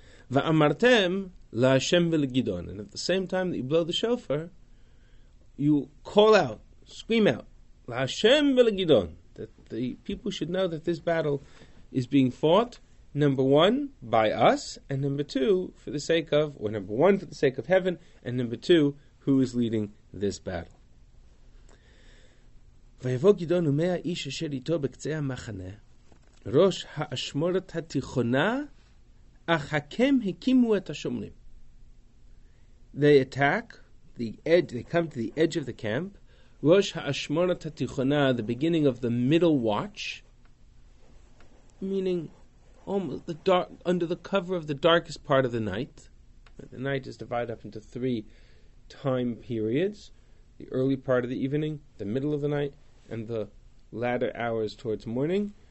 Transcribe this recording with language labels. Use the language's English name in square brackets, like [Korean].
[Hebrew] Va'amartem la'Hashem v'le'Gidon. [English] And at the same time that you blow the shofar, you call out, scream out, la'Hashem v'le'Gidon, that the people should know that this battle is being fought, number one, by us, and number two, for the sake of, or number one, for the sake of heaven, and number two, who is leading this battle. [Hebrew] ויבוא גדעון ומאה איש אשר איתו בקצה המחנה, ראש האשמורת התיכונה, אך הקם הקימו את השומרים. [English] They attack, the edge, they come to the edge of the camp, [Hebrew] ראש האשמורת התיכונה, [English] the beginning of the middle watch, meaning almost the dark, under the cover of the darkest part of the night. The night is divided up into three time periods, the early part of the evening, the middle of the night, and the latter hours towards morning.